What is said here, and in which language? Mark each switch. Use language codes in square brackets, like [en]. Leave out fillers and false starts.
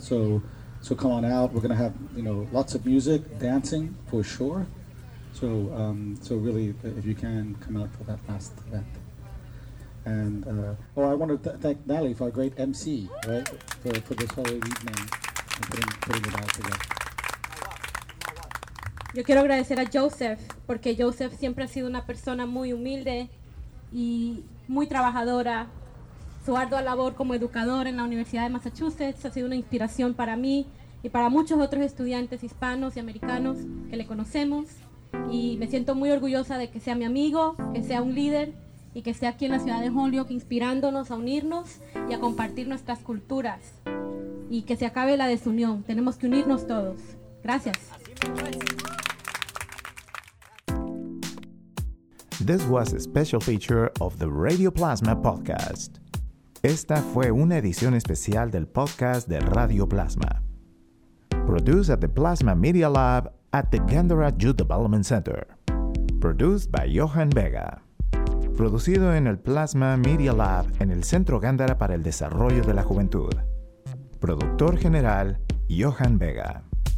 [en] So come on out. We're gonna have lots of music, dancing for sure. So really, if you can come out for that last event. And I want to thank Natalie for our great MC, right, for this whole evening and putting it all together. [es] Yo quiero agradecer a Joseph porque Joseph siempre ha sido una persona muy humilde y muy trabajadora. Su ardua labor como educador en la Universidad de Massachusetts ha sido una inspiración para mí y para muchos otros estudiantes hispanos y americanos que le conocemos. Y me siento muy orgullosa de que sea mi amigo, que sea un líder y que sea aquí en la ciudad de Holyoke inspirándonos a unirnos y a compartir nuestras culturas. Y que se acabe la desunión. Tenemos que unirnos todos. Gracias. [en] This was a special feature of the Radioplasma podcast. [es] Esta fue una edición especial del podcast de Radioplasma. [en] Produced at the Plasma Media Lab at the Gandara Youth Development Center. Produced by Johan Vega. [es] Producido en el Plasma Media Lab en el Centro Gandara para el Desarrollo de la Juventud. Productor General, Johan Vega.